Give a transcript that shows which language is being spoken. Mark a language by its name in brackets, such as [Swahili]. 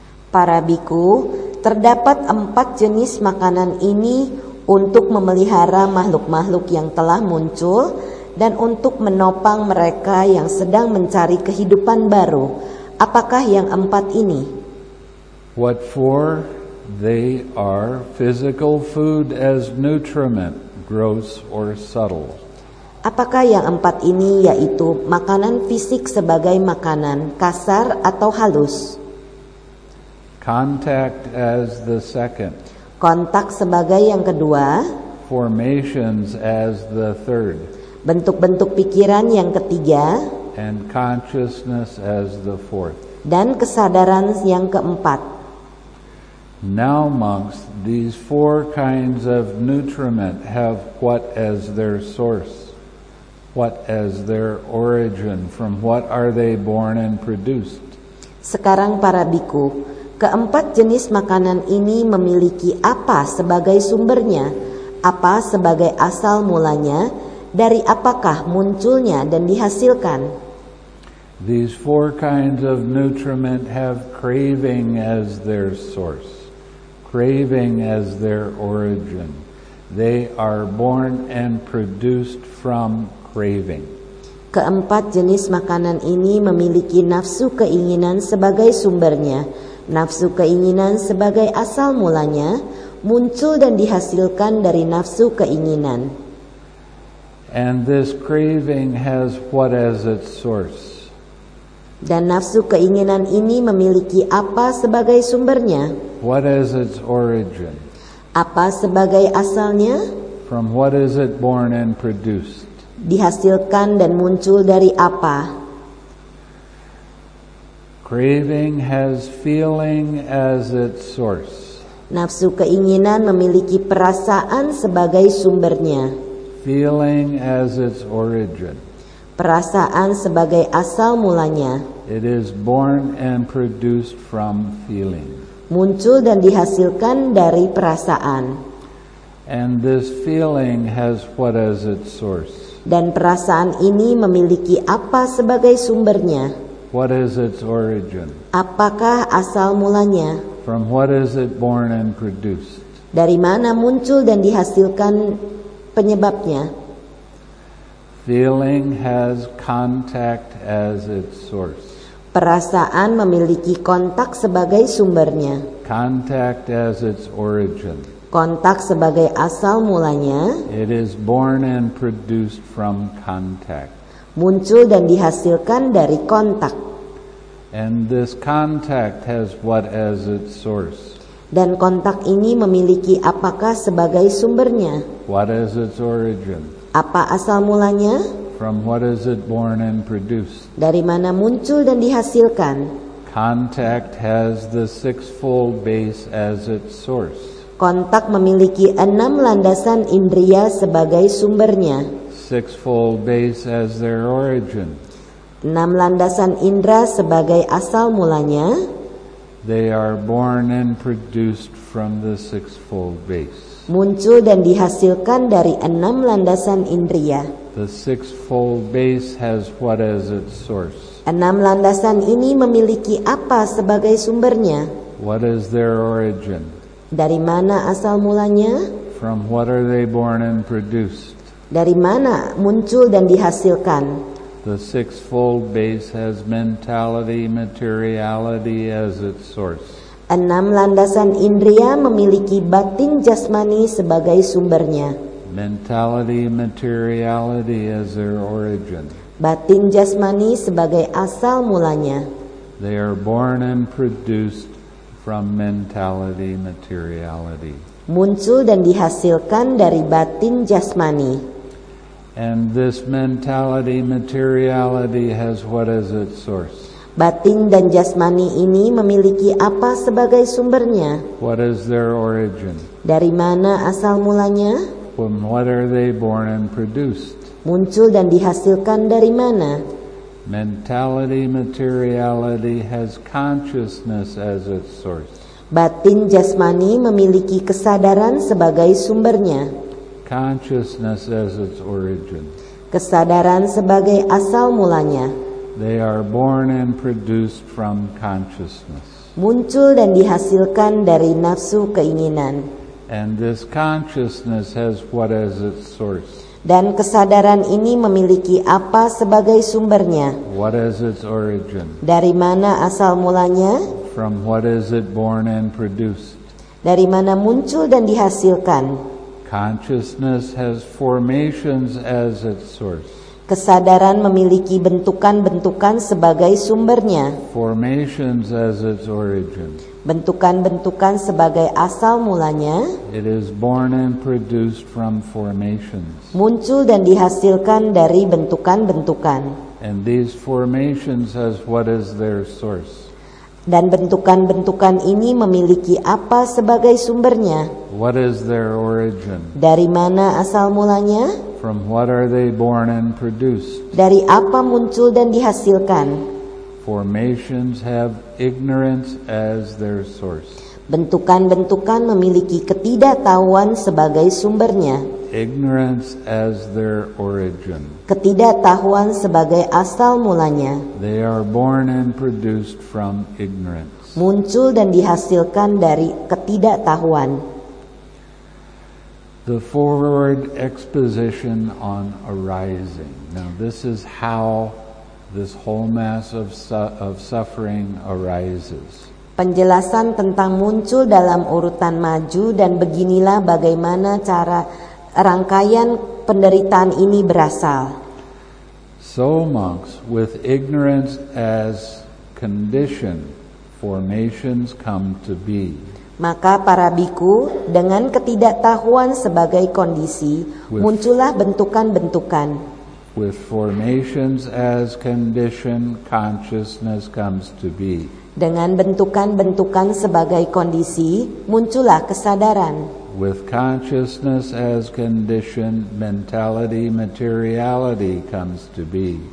[Indonesian] Para bhikkhu, terdapat empat jenis makanan ini untuk memelihara makhluk-makhluk yang telah muncul dan untuk menopang mereka yang sedang mencari kehidupan baru. Apakah yang empat ini? [English] What for? They are physical food as nutriment, gross or subtle. [Indonesian] Apakah yang empat ini yaitu makanan fisik sebagai makanan kasar atau halus? [English] Contact as the second. [Indonesian] Kontak sebagai yang kedua. [English] Formations as the third. [Indonesian] Bentuk-bentuk pikiran yang ketiga. [English] And consciousness as the fourth. [Indonesian] Dan kesadaran yang keempat. [English] Now, monks, these four kinds of nutriment have what as their source? What as their origin? From what are they born and produced? [Indonesian] Sekarang para bhikkhu, keempat jenis makanan ini memiliki apa sebagai sumbernya, apa sebagai asal mulanya, dari apakah munculnya dan dihasilkan? [English] These four kinds of nutriment have craving as their source, craving as their origin. They are born and produced from craving. [Indonesian] Keempat jenis makanan ini memiliki nafsu keinginan sebagai sumbernya, nafsu keinginan sebagai asal mulanya, muncul dan dihasilkan dari nafsu keinginan. [English] And this craving has what as its source? [Indonesian] Dan nafsu keinginan ini memiliki apa sebagai sumbernya? [English] What is its origin? [Indonesian] Apa sebagai asalnya? [English] From what is it born and produced? [Indonesian] Dihasilkan dan muncul dari apa? [English] Craving has feeling as its source. [Indonesian] Nafsu keinginan memiliki perasaan sebagai sumbernya. [English] Feeling as its origin. [Indonesian] Perasaan sebagai asal mulanya. [English] It is born and produced from feeling. [Indonesian] Muncul dan dihasilkan dari perasaan. [English] And this feeling has what as its source? [Indonesian] Dan perasaan ini memiliki apa sebagai sumbernya? [English] What is its origin? [Indonesian] Apakah asal mulanya? [English] From what is it born and produced? [Indonesian] Dari mana muncul dan dihasilkan penyebabnya? [English] Feeling has contact as its source. [Indonesian] Perasaan memiliki kontak sebagai sumbernya. [English] Contact as its origin. [Indonesian] Kontak sebagai asal mulanya. [English] It is born and produced from contact. [Indonesian] Muncul dan dihasilkan dari kontak. [English] And this contact has what as its source? [Indonesian] Dan kontak ini memiliki apakah sebagai sumbernya? [English] What is its origin? [Indonesian] Apa asal mulanya? [English] From what is it born and produced? [Indonesian] Dari mana muncul dan dihasilkan? [English] Contact has the sixfold base as its source. [Indonesian] Kontak memiliki enam landasan indriya sebagai sumbernya. [English] Sixfold base as their origin. [Indonesian] Enam landasan indra sebagai asal mulanya. [English] They are born and produced from the sixfold base. [Indonesian] Muncul dan dihasilkan dari enam landasan indriya. [English] The sixfold base has what as its source? [Indonesian] Enam landasan ini memiliki apa sebagai sumbernya? [English] What is their origin? [Indonesian] Dari mana asal mulanya? [English] From what are they born and produced? [Indonesian] Dari mana muncul dan dihasilkan? [English] The sixfold base has mentality, materiality as its source. [Indonesian] Enam landasan indria memiliki batin jasmani sebagai sumbernya. [English] Mentality, materiality as their origin. [Indonesian] Batin jasmani sebagai asal mulanya. [English] They are born and produced from mentality, materiality. [Indonesian] Muncul dan dihasilkan dari batin jasmani. [English] And this mentality, materiality has what as its source? [Indonesian] Batin dan jasmani ini memiliki apa sebagai sumbernya? [English] What is their origin? [Indonesian] Dari mana asal mulanya? [English] From what are they born and produced? [Indonesian] Muncul dan dihasilkan dari mana? [English] Mentality, materiality has consciousness as its source. [Indonesian] Batin jasmani memiliki kesadaran sebagai sumbernya. [English] Consciousness as its origin. [Indonesian] Kesadaran sebagai asal mulanya. [English] They are born and produced from consciousness. [Indonesian] Muncul dan dihasilkan dari nafsu keinginan. [English] And this consciousness has what as its source? [Indonesian] Dan kesadaran ini memiliki apa sebagai sumbernya? [English] What is its origin? [Indonesian] Dari mana asal mulanya? [English] From what is it born and produced? [Indonesian] Dari mana muncul dan dihasilkan? [English] Consciousness has formations as its source. [Indonesian] Kesadaran memiliki bentukan-bentukan sebagai sumbernya. [English] Formations as its origin. [Indonesian] Bentukan-bentukan sebagai asal mulanya. [English] It is born and produced from formations. [Indonesian] Muncul dan dihasilkan dari bentukan-bentukan. [English] And these formations has what is their source. [Indonesian] Dan bentukan-bentukan ini memiliki apa sebagai sumbernya? [English] What is their origin? [Indonesian] Dari mana asal mulanya? [English] From what are they born and produced? [Indonesian] Dari apa muncul dan dihasilkan? [English] Formations have ignorance as their source. [Indonesian] Bentukan-bentukan memiliki ketidaktahuan sebagai sumbernya. [English] Ignorance as their origin. [Indonesian] Ketidaktahuan sebagai asal mulanya. [English] They are born and produced from ignorance. [Indonesian] Muncul dan dihasilkan dari ketidaktahuan. [English] The forward exposition on arising. Now this is how this whole mass of suffering arises. [Indonesian] Penjelasan tentang muncul dalam urutan maju dan beginilah bagaimana cara rangkaian penderitaan ini berasal. [English] So monks, with ignorance as condition, formations come to be. [Indonesian] Maka para bhikkhu, dengan ketidaktahuan sebagai kondisi, muncullah bentukan-bentukan. [English] With formations as condition, consciousness comes to be. [Indonesian] Dengan bentukan-bentukan sebagai kondisi, muncullah kesadaran. [English] With consciousness as condition, mentality, materiality comes to be.